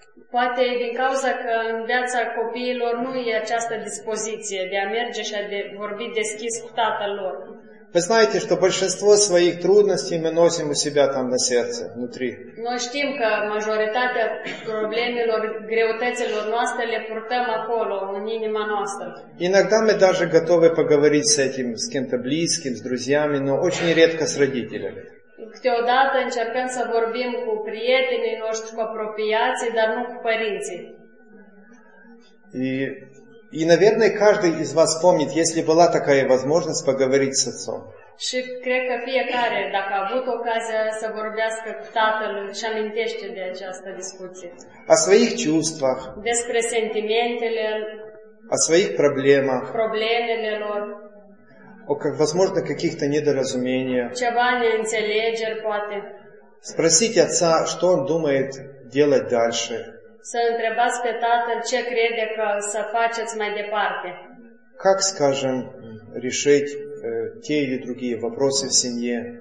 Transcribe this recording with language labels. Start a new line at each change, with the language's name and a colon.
Romanian: Poate din cauza că în viața copiilor nu e această dispoziție de a merge și a vorbi deschis cu tatăl lor.
Russian: Вы знаете, что большинство своих трудностей мы носим у себя там на сердце, внутри.
Romanian: Noi știm că majoritatea problemelor, greutăților noastre le purtăm acolo, în inima noastră.
Russian: Иногда мы даже готовы поговорить с этим, с кем-то близким, с друзьями, но очень редко с родителями.
Romanian: Câteodată încercăm să vorbim cu prietenii noștri, cu apropiații, dar nu cu părinții.
Russian: И, наверное, каждый из вас помнит, если была такая возможность поговорить с отцом.
Romanian: Și cred că fiecare, dacă a avut ocazia să vorbească cu tatăl, își amintește de această discuție.
Russian: О своих чувствах.
Romanian: Despre sentimentele.
Russian: О своих проблемах.
Romanian: Проблемele lor.
Russian: О, возможно, каких-то недоразумениях.
Romanian: Ceva neînțelegeri, poate.
Russian: Спросить отца, что он думает делать дальше.
Romanian: Să întrebați pe tatăl ce crede că să faceți mai departe.
Russian: Как, скажем, решить те или другие вопросы в семье?